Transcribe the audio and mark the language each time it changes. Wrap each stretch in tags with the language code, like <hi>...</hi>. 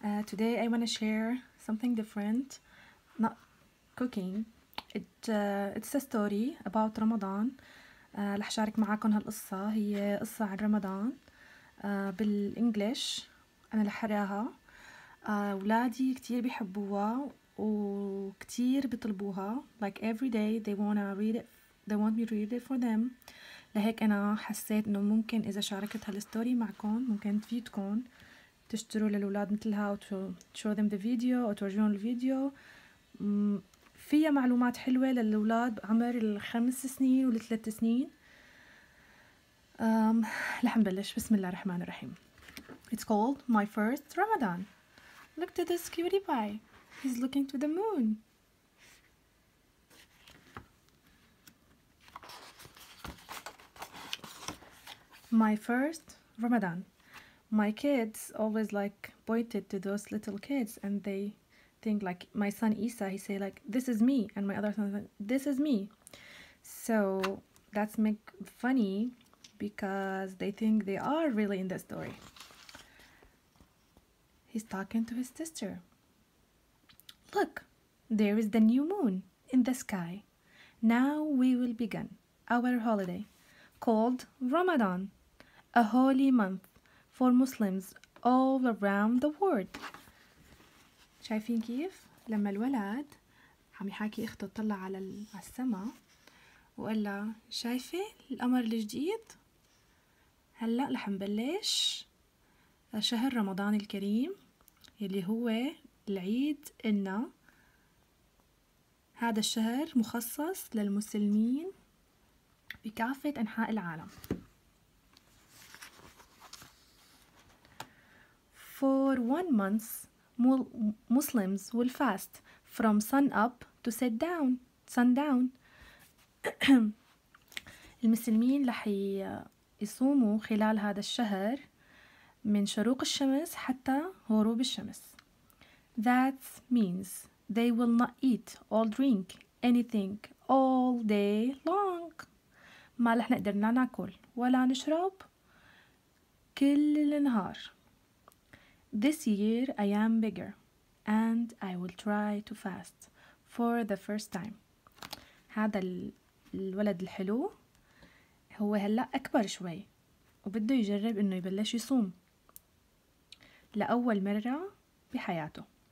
<en>Today I want to share something different, not cooking. It's a story about Ramadan.</en> <ar>رح شارك معاكم هالقصة. هي قصة عن رمضان بالانجلش. انا رح اقراها. اولادي كتير بحبوها وكتير بطلبوها.</ar> <en>Like every day they want me to read it for them.</en> <ar>لهيك أنا حسيت إنه ممكن إذا شاركت هالستوري معكم ممكن تفيدكم تشتروا للأولاد مثلها أو show them the video أو تورجون الفيديو. فيها معلومات حلوة للأولاد عمر 5 سنين و3 سنين. لح نبلش. بسم الله الرحمن الرحيم.</ar> <en>It's called my first Ramadan. Look to this cutie pie. He's looking to the moon. My first Ramadan. My kids always like pointed to those little kids and they think like my son Isa, he say like this is me, and my other son like, this is me. So that's make funny because they think they are really in the story. He's talking to his sister. Look, there is the new moon in the sky. Now we will begin our holiday called Ramadan. A holy month for Muslims all around the world.</en> <ar>شايفين كيف لما الولد عم يحاكي اخته تطلع على السماء وقال لها شايفة القمر الجديد؟ هلأ رح نبلش شهر رمضان الكريم يلي هو العيد. إن هذا الشهر مخصص للمسلمين بكافة أنحاء العالم.</ar> <en>For 1 month, Muslims will fast from sun up to sundown.</en> <ar>المسلمين رح يصوموا خلال هذا الشهر من شروق الشمس حتى غروب الشمس.</ar> <en>That means they will not eat or drink anything all day long.</en> <ar>ما رح نقدر لا ناكل ولا نشرب كل النهار.</ar> <en>This year I am bigger and I will try to fast for the first time.</en> <ar>هذا الولد الحلو هو هلا اكبر شوي وبده يجرب انه يبلش يصوم لاول مره بحياته.</ar>